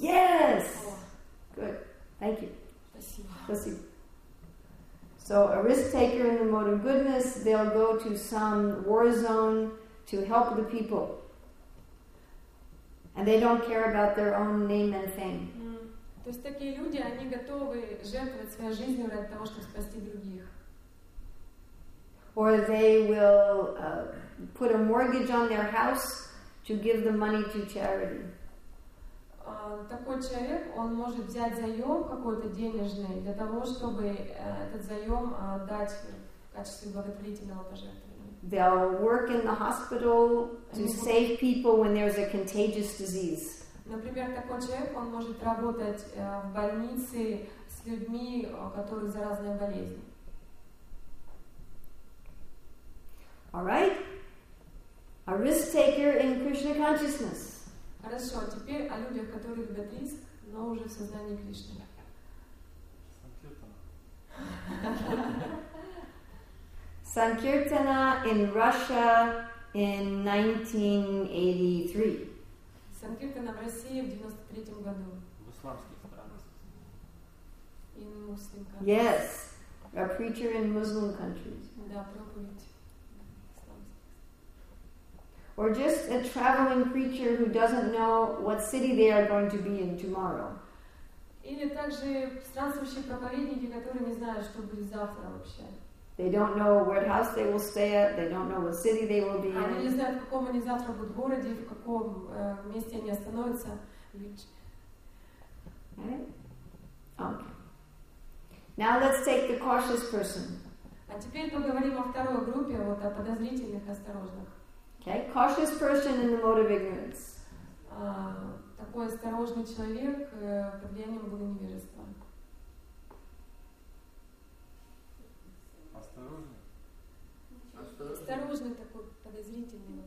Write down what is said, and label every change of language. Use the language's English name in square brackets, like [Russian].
[English] Yes. Good. Thank you. [Russian] Спасибо. [English] So a risk taker in the mode of goodness, they'll go to some war zone to help the people, and they don't care about their own name and fame. [Russian] То есть такие люди, они готовы жертвовать своей жизнью ради того, чтобы спасти других. [English] Or they will put a mortgage on their house to give the money to charity. [Russian] Такой человек, он может взять заем какой-то денежный для того, чтобы этот заем отдать в качестве благотворительного пожертвования. [English] They'll work in the hospital to save people when there's a contagious disease. [Russian] Например, такой человек, он может работать в больнице с людьми, которые заразные болезни. [English] All right. A risk taker in Krishna consciousness. [Russian] Хорошо, а теперь о людях, которые любят риск, но уже в сознании Кришны. [English] Sankirtana in Russia in 1983. [Russian] Санкиртана в России в 93-м году. В исламских странах. [English] In Muslim countries. Yes. A preacher in Muslim countries. [Russian] Да, проповедь. Исламских. [English] Or just a traveling preacher who doesn't know what city they are going to be in tomorrow. [Russian] Или также странствующие проповедники, которые не знают, что будет завтра вообще. [English] They don't know what house they will stay at. They don't know what city they will be in. [Russian] Они не знают, в каком они завтра будут городе, в каком месте они остановятся. [English] Okay. Now let's take the cautious person. [Russian] А теперь поговорим о второй группе, вот о подозрительных, осторожных. [English] Okay, cautious person in the mode of ignorance. [Russian] Такой осторожный человек под влиянием было невежества. Осторожный. Осторожный такой подозрительный.